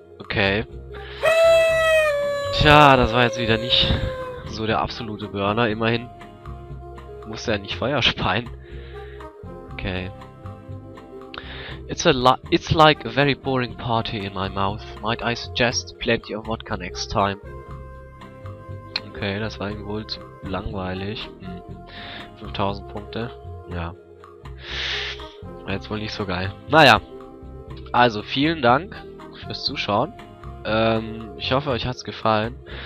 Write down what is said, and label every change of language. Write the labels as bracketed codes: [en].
[de] Okay. Tja, das war jetzt wieder nicht so der absolute Burner. Immerhin muss er nicht Feuer speien. Okay. [en] It's like a very boring party in my mouth. Might I suggest plenty of vodka next time? [de] Okay, das war ihm wohl zu langweilig. Hm. 5000 Punkte. Ja. War jetzt wohl nicht so geil. Naja. Also, vielen Dank fürs Zuschauen. Ich hoffe, euch hat's gefallen.